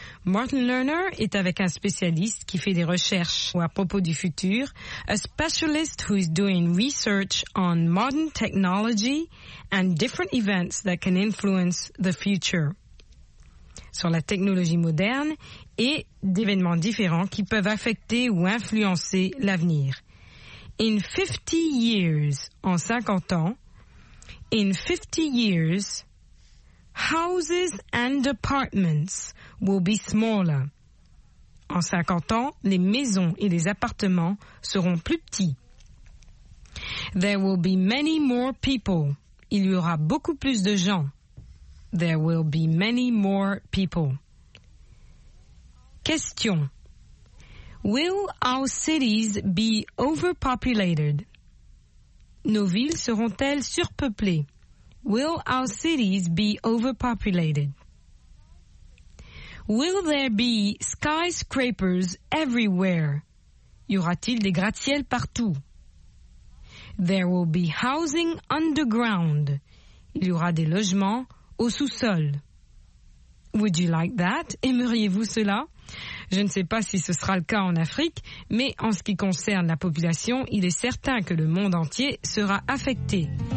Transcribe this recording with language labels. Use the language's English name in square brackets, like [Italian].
[French] Martin Lerner est avec un spécialiste qui fait des recherches à propos du futur, [English] a specialist who is doing research on modern technology and different events that can influence the future, [French] sur la technologie moderne et d'événements différents qui peuvent affecter ou influencer l'avenir. [English] In 50 years, [French] en 50 ans, [English] in 50 years, houses and apartments will be smaller. [French] En 50 ans, les maisons et les appartements seront plus petits. [English] There will be many more people. [French] Il y aura beaucoup plus de gens. [English] There will be many more people. Question. Will our cities be overpopulated? [French] Nos villes seront-elles surpeuplées? [English] Will our cities be overpopulated? Will there be skyscrapers everywhere? [French] Y aura-t-il des gratte-ciel partout? [English] There will be housing underground. [French] Il y aura des logements au sous-sol. [English] Would you like that? [French] Aimeriez-vous cela? Je ne sais pas si ce sera le cas en Afrique, mais en ce qui concerne la population, il est certain que le monde entier sera affecté.